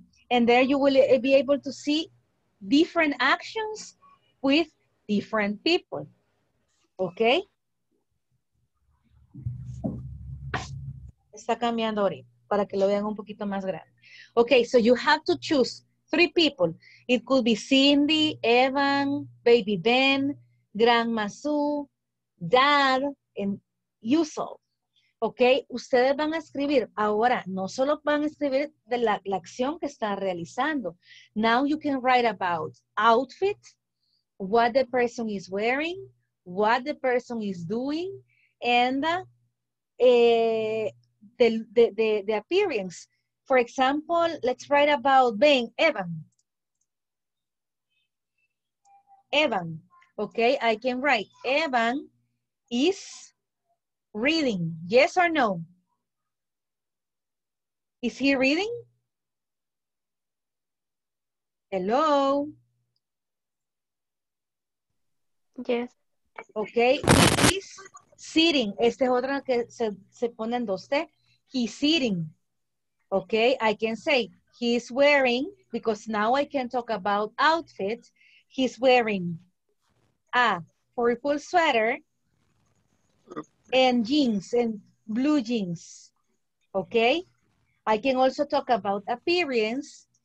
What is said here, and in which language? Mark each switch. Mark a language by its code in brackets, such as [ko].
[en] And there you will be able to see different actions with different people. Ok. [es] Está cambiando ahorita para que lo vean un poquito más grande. [en] Okay, so you have to choose three people. It could be Cindy, Evan, Baby Ben, Grandma Sue, Dad, and Yusuf. [es] Okay, ustedes van a escribir. Ahora, no solo van a escribir de la acción que están realizando. [en] Now you can write about outfit, what the person is wearing, what the person is doing, and the appearance. For example, let's write about Ben, Evan. Evan, okay, I can write, Evan is reading, yes or no? Is he reading? Hello? Yes. Okay, he's sitting. [es] Este es otro que se pone en dos T. [en] He's sitting. Okay, I can say he's wearing, because now I can talk about outfits. He's wearing a purple sweater and jeans and blue jeans. Okay, I can also talk about appearance.